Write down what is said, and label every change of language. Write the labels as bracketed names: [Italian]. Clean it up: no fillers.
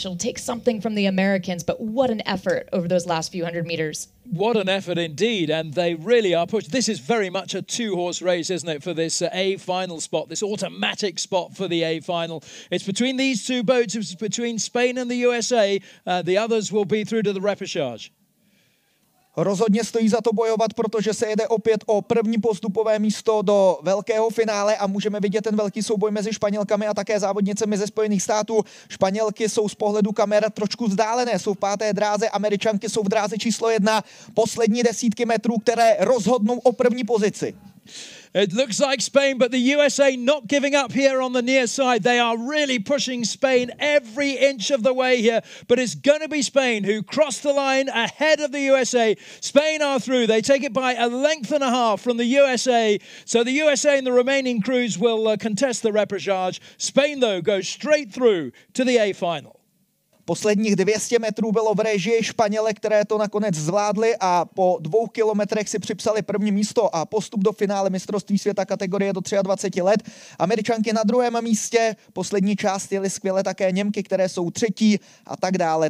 [English] It'll take something from the Americans, but what an effort over those last few hundred meters. What an effort indeed, and they really are pushed. This is very much a two-horse race, isn't it, for this A-final spot, this automatic spot for the A-final. It's between these two boats, it's between Spain and the USA. The others will be through to the repechage. [Czech] Rozhodně stojí za to bojovat, protože se jede opět o první postupové místo do velkého finále a můžeme vidět ten velký souboj mezi Španělkami a také závodnicemi ze Spojených států. Španělky jsou z pohledu kamer trošku vzdálené, jsou v páté dráze, Američanky jsou v dráze číslo jedna, poslední desítky metrů, které rozhodnou o první pozici. [English] It looks like Spain, but the USA not giving up here on the near side. They are really pushing Spain every inch of the way here. But it's going to be Spain who crossed the line ahead of the USA. Spain are through. They take it by a length and a half from the USA. So the USA and the remaining crews will contest the repechage. Spain, though, goes straight through to the A final. [Czech] Posledních 200 metrů bylo v režii Španělek, které to nakonec zvládly a po 2 kilometrech si připsali první místo a postup do finále mistrovství světa kategorie do 23 let. Američanky na druhém místě, poslední část jeli skvěle také Němky, které jsou třetí a tak dále.